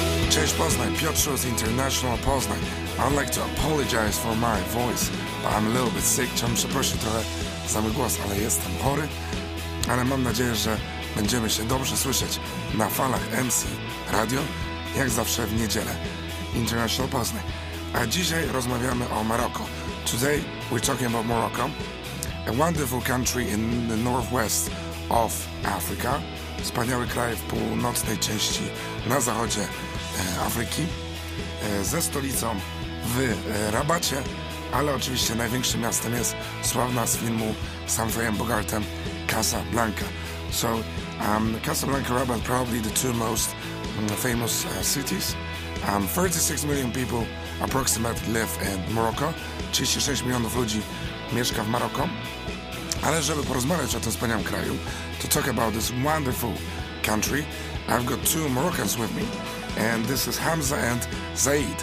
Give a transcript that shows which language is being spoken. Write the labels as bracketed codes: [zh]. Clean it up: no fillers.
[pl] Cześć Poznań, Piotr z International Poznań. [en] I'd like to apologize for my voice, but I'm a little bit sick. [pl] Chciałbym przeprosić trochę za mój głos, ale jestem chory. Ale mam nadzieję, że będziemy się dobrze słyszeć na falach MC Radio, jak zawsze w niedzielę. International Poznań. A dzisiaj rozmawiamy o Maroko. [en] Today we're talking about Morocco, a wonderful country in the northwest of Africa. [pl] Wspaniały kraj w północnej części na zachodzie Afryki, ze stolicą w Rabacie, ale oczywiście największym miastem jest sławna z filmu z Humphreyem Bogartem Casablanca. [en] So Casablanca, Rabat, probably the two most famous cities. 36 million people approximately live in Morocco. [pl] 36 milionów ludzi mieszka w Maroko. Ale żeby porozmawiać o tym wspaniałym kraju, [en] to talk about this wonderful country, I've got two Moroccans with me, and this is Hamza and Zaid.